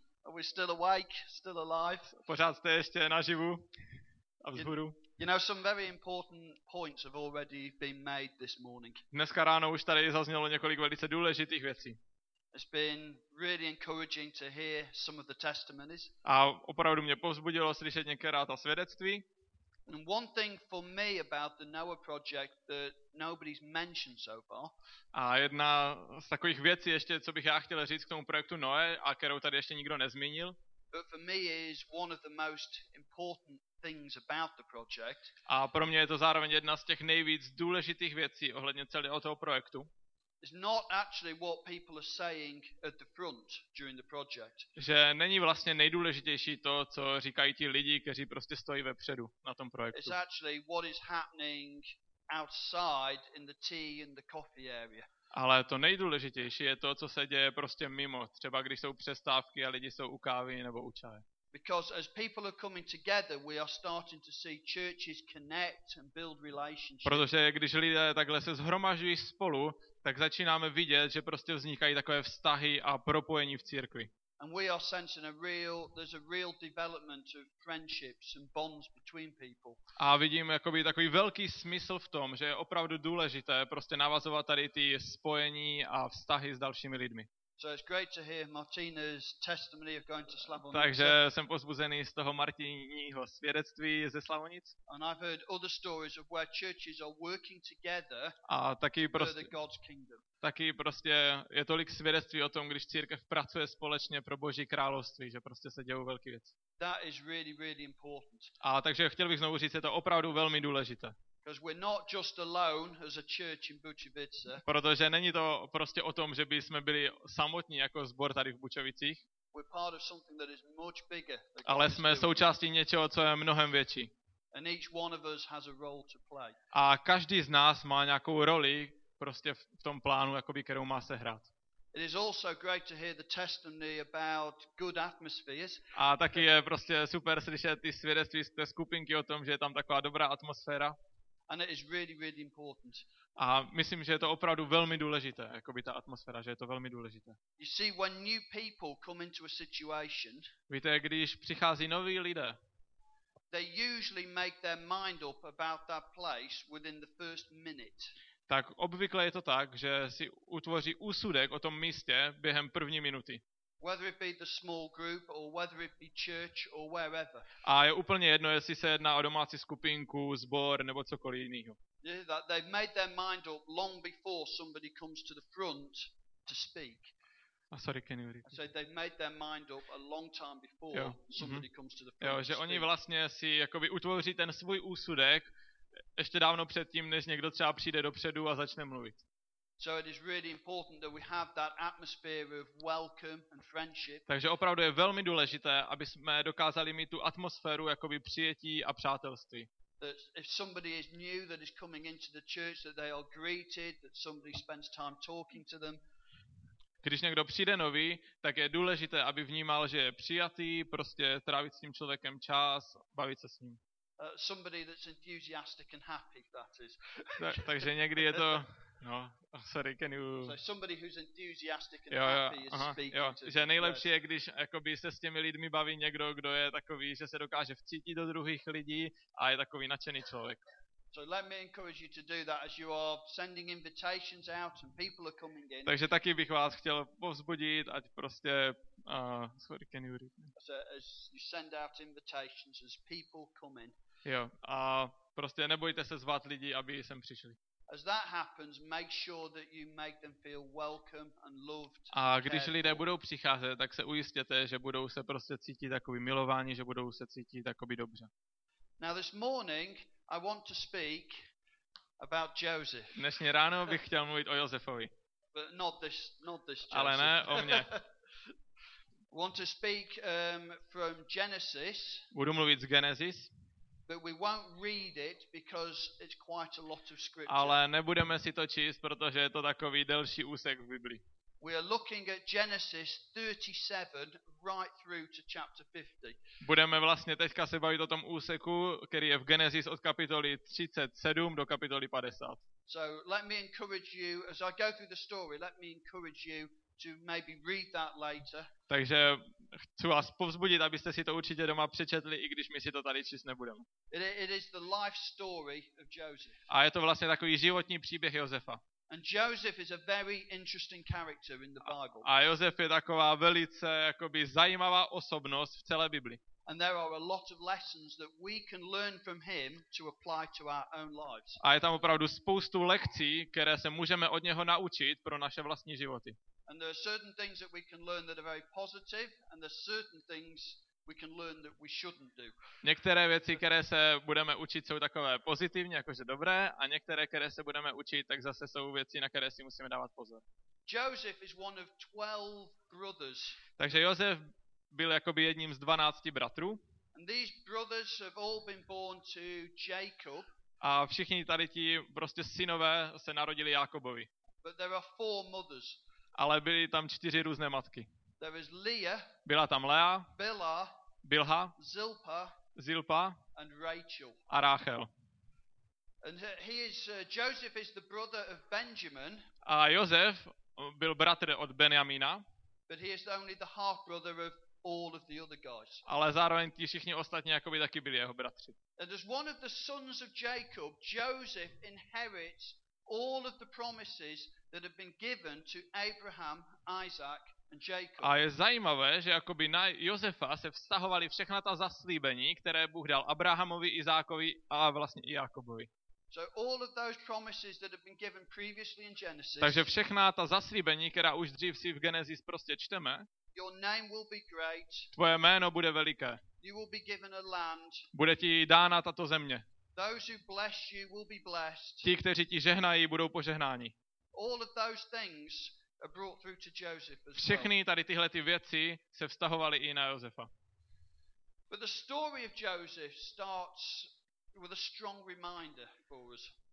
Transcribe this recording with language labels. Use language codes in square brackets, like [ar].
[en] Are we still awake, still alive? [cs] Pořád jste ještě naživu a vzhůru. [en] You know, some very important points have already been made this morning. [cs] Dneska ráno už tady zaznělo několik velice důležitých věcí. [en] It's been really encouraging to hear some of the testimonies. [cs] A opravdu mě povzbudilo slyšet některá ta svědectví. [en] And one thing for me about the Noah project that nobody's mentioned so far. [cs] A jedna z takových věcí ještě, co bych já chtěl říct k tomu projektu Noe, a kterou tady ještě nikdo nezmínil. [en] But for me is one of the most important things about the project. [cs] A pro mě je to zároveň jedna z těch nejvíc důležitých věcí ohledně celého toho projektu. [en] It's not actually what people are saying at the front during the project. [cs] Že není vlastně nejdůležitější to, co říkají ti lidi, kteří prostě stojí vepředu na tom projektu. [en] It's actually what is happening outside in the tea and the coffee area. [cs] Ale to nejdůležitější je to, co se děje prostě mimo, třeba když jsou přestávky a lidi jsou u kávy nebo u čaje. [en] Because as people are coming together, we are starting to see churches connect and build relationships. [cs] Protože když lidé takhle se shromažďují spolu, tak začínáme vidět, že prostě vznikají takové vztahy a propojení v církvi. [en] And we are sensing there's a real development of friendships and bonds between people. [cs] A vidím jakoby takový velký smysl v tom, že je opravdu důležité prostě navazovat tady ty spojení a vztahy s dalšími lidmi. [en] So it's great to hear Martina's testimony of going to Slavonice. [cs] Takže jsem pozbuzený z toho Martiního svědectví ze Slavonic. [en] And I've heard other stories of where churches are working together. [cs] A taky prostě [en] for God's kingdom. [cs] Taky prostě je tolik svědectví o tom, když církev pracuje společně pro Boží království, že prostě se dějou velké věci. [en] That is really, really important. [cs] A takže chtěl bych znovu říct, je to opravdu velmi důležité. [en] Because we're not just alone as a church in Bučovice. [cs] Protože není to prostě o tom, že by jsme byli samotní jako sbor tady v Bučovicích. [en] We're part of something that is much bigger. [cs] Ale jsme součástí něčeho, co je mnohem větší. [en] And each one of us has a role to play. [cs] A každý z nás má nějakou roli prostě v tom plánu, jakoby, kterou má se hrát. [en] It is also great to hear the testimony about good atmospheres. [cs] A taky je prostě super slyšet ty svědectví z té skupinky o tom, že je tam taková dobrá atmosféra. [en] And it is really, really important. [cs] A myslím, že je to opravdu velmi důležité, jakoby ta atmosféra, že je to velmi důležité. [en] You see, when new people come into a situation, [cs] víte, když přichází noví lidé, [en] they usually make their mind up about that place within the first minute. [cs] Tak obvykle je to tak, že si utvoří úsudek o tom místě během první minuty. [en] Whether it be the small group or whether it be church or wherever. [cs] A je úplně jedno, jestli se jedná o domácí skupinku, sbor nebo cokoliv jiného. [en] Yeah, they've made their mind up long before somebody comes to the front to speak. Sorry, can you repeat? So they've made their mind up a long time before somebody comes to the front. [cs] Jo, že oni vlastně si jakoby utvoří ten svůj úsudek ještě dávno před tím, než někdo třeba přijde dopředu a začne mluvit. [en] So it is really important that we have that atmosphere of welcome and friendship. [cs] Takže opravdu je velmi důležité, aby jsme dokázali mít tu atmosféru jakoby přijetí a přátelství. [en] That if somebody is new that is coming into the church, that they are greeted, that somebody spends time talking to them. [cs] Když někdo přijde nový, tak je důležité, aby vnímal, že je přijatý, prostě trávit s tím člověkem čas, bavit se s ním. [en] Somebody that's enthusiastic and happy, that is. [cs] Takže někdy je to no, [en] sorry, can you so somebody who's enthusiastic and [cs] jo, [en] happy [cs] jo, [en] is speaking [cs] jo, [en] to [cs] že nejlepší je, když jakoby se s těmi lidmi baví někdo, kdo je takový, že se dokáže vcítit do druhých lidí a je takový nadšený člověk. [en] So let me encourage you to do that as you are sending invitations out and people are coming in. [cs] Takže taky bych vás chtěl povzbudit, ať prostě [en] sorry, can you so as you send out invitations as people come in. [cs] Jo, a prostě nebojte se zvat lidi, aby sem přišli. [en] As that happens, make sure that you make them feel welcome and loved. [cs] A když lidé budou přicházet, tak se ujistěte, že budou se prostě cítit takový milování, že budou se cítit takový dobře. [en] Now this morning I want to speak about Joseph. [cs] Dnešní ráno bych chtěl mluvit o Josefovi. [en] But not this Joseph. [cs] Ale ne o mně. [en] I want to speak from Genesis. [cs] Budu mluvit z Genesis. [en] But we won't read it because it's quite a lot of scripture. [cs] Ale nebudeme si to číst, protože je to takový delší úsek v Biblii. [en] We are looking at Genesis 37 right through to chapter 50. [cs] Budeme vlastně teďka se bavit o tom úseku, který je v Genesis od kapitoly 37 do kapitoly 50. [en] So let me encourage you as I go through the story, let me encourage you to maybe read that later. [cs] Takže chci vás povzbudit, abyste si to určitě doma přečetli, i když my si to tady číst nebudeme. [en] It is the life story of Joseph. [cs] A je to vlastně takový životní příběh Josefa. [en] And Joseph is a very interesting character in the Bible. [cs] A Josef je taková velice jakoby zajímavá osobnost v celé Bibli. [en] And there are a lot of lessons that we can learn from him to apply to our own lives. [cs] A je tam opravdu spoustu lekcí, které se můžeme od něho naučit pro naše vlastní životy. [en] And there are certain things that we can learn that are very positive, and there are certain things we can learn that we shouldn't do. [cs] Některé věci, které se budeme učit, jsou takové pozitivní, jakože dobré, a některé, které se budeme učit, tak zase jsou věci, na které si musíme dávat pozor. [en] Joseph is one of 12 brothers. [cs] Takže Josef byl jakoby jedním z 12 bratrů. [en] And these brothers have all been born to Jacob. [cs] A všichni tady ti prostě synové se narodili Jakobovi. [en] But there are four mothers. [cs] Ale byly tam 4 různé matky. [en] There is Leah, [cs] byla tam Lea, [en] Bilha, [cs] Zilpa [en] and Rachel. [cs] A Rachel. [en] And he is Joseph is the brother of Benjamin. [cs] A Josef byl bratr od Benjamína. [en] But he is only the half brother of all of the other guys. [cs] Ale zároveň ti všichni ostatní jakoby taky byli jeho bratři. [en] And as one of the sons of Jacob, Joseph inherits all of the promises that have been given to Abraham, Isaac and Jacob. [cs] A je zajímavé, že jakoby na Josefa se vztahovaly všechna ta zaslíbení, které Bůh dal Abrahamovi, Izákovi a vlastně i Jakobovi. [en] So all of those promises that have been given previously in Genesis. [cs] Takže všechna ta zaslíbení, která už dřív si v Genesis prostě čteme. [en] Your name will be great. [cs] Tvoje jméno bude veliké. [en] You will be given a land. [cs] Bude ti dána tato země. [en] Those who bless you will be blessed. [cs] Ti, kteří ti žehnají, budou požehnáni. [en] All of those things are brought through to Joseph as well. [cs] Všechny tady tyhle ty věci se vztahovaly i na Josefa. [en] But the story of Joseph starts with a strong reminder for us.